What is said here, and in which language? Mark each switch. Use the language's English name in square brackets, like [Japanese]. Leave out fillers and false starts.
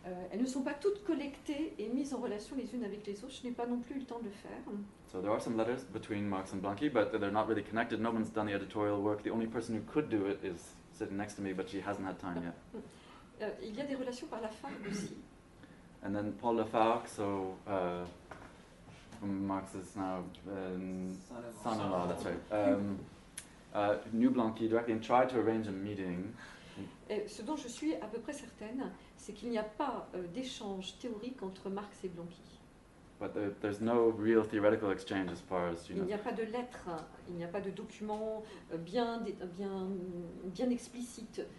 [French] Elles ne sont pas toutes collectées et mises en relation les unes avec les autres. Je n'ai pas non plus eu le temps de le faire. [English] So there are some letters between Marx and Blanqui, but they're not really connected. No one's done the editorial work. The only person who could do it is sitting next to me, but she hasn't had time yet. [French] Il y a des relations par Lafargue aussi. [English] And then Paul Lafargue, so Marx is now son-in-law. That's right. Knew Blanqui directly and tried to arrange a meeting. [French] Et ce dont je suis à peu près certaine, c'est qu'il n'y a pas d'échange théorique entre Marx et Blanqui. [English] But there's no real theoretical exchange as far as you know. [French] Il n'y a pas de lettres, il n'y a pas de documents bien explicites.